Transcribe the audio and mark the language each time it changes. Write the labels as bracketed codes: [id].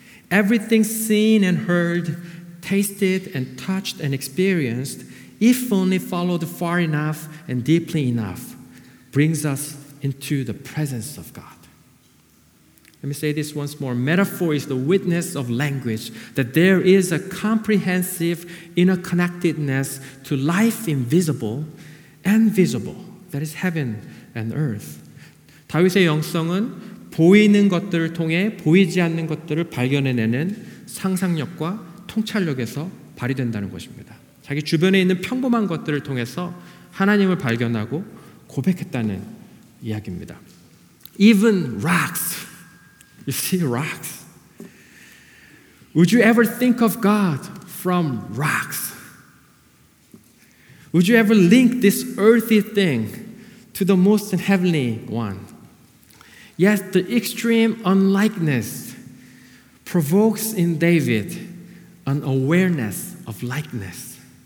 [en] Everything seen and heard, tasted and touched and experienced, if only followed far enough and deeply enough, brings us into the presence of God." Let me say this once more. Metaphor is the witness of language that there is a comprehensive interconnectedness to life invisible and visible, that is heaven and earth. [ko] 다윗의 영성은 보이는 것들을 통해 보이지 않는 것들을 발견해내는 상상력과 통찰력에서 발휘된다는 것입니다. 자기 주변에 있는 평범한 것들을 통해서 하나님을 발견하고 고백했다는 이야기입니다. [en] Even rocks. You see rocks. Would you ever think of God from rocks? Would you ever link this earthy thing to the most heavenly one? Yet the extreme unlikeness provokes in David an awareness of likeness.